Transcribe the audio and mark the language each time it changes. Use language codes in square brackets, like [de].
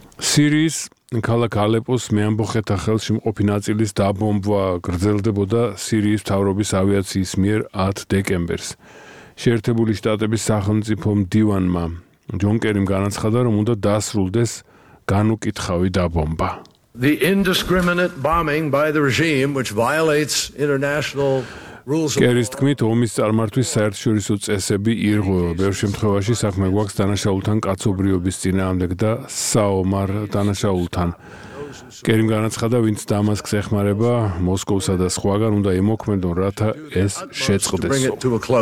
[ka] სირიის ქალაქ ალეპოს მეამბოხეთა ხელში მყოფი ნაწილის დაბომბვა გრძელდებოდა სირიის მთავრობის ავიაციის მიერ 10 დეკემბერს. შეერთებული შტატების სახელმწიფო მდივანმა ჯონ კერიმ განაცხადა, რომ უნდა დასრულდეს განუკითხავი დაბომბა. [en] The indiscriminate bombing by the regime which violates international [ka] კერის თქმით, ომის წარმართვის საერთაშორისო წესები ირღვევა. ბევრ შემთხვევაში საქმე გვაქვს დანაშაულთან კაცობრიობის წინააღმდეგ და საომარ დანაშაულთან. კერიმ განაცხადა, ვინც დამასკს ეხმარება მოსკოვსა და სხვაგან, უნდა ემოქმედონ, რათა ეს შეწყდესო.